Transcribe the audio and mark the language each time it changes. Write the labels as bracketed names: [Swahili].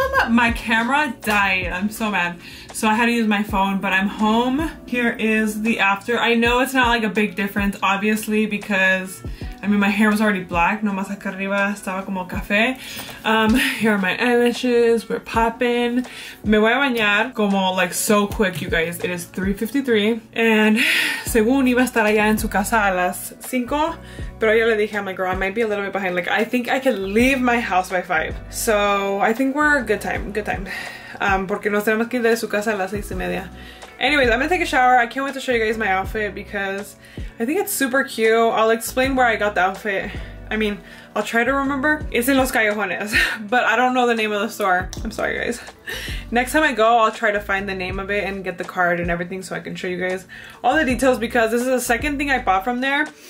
[English] My camera died. I'm so mad. So I had to use my phone, but I'm home. Here is the after. I know it's not like a big difference, obviously, because I mean, my hair was already black. [Spanish] No más acá arriba estaba como café. [English] Here are my eyelashes. We're popping. [Spanish] Me voy a bañar como [English] like so quick, you guys. It is 3:53. [Spanish] And según iba a estar allá en su casa a las 5. Pero yo le dije, [English] I'm like, girl, I might be a little bit behind. Like, I think I can leave my house by 5. So I think we're good time. Good time. [Spanish] Porque nos tenemos que ir de su casa a las 6:30. [English] Anyways, I'm gonna take a shower. I can't wait to show you guys my outfit because I think it's super cute. I'll explain where I got the outfit. I mean, I'll try to remember. It's in Los Callejones, but I don't know the name of the store. I'm sorry, guys. Next time I go, I'll try to find the name of it and get the card and everything so I can show you guys all the details because this is the second thing I bought from there.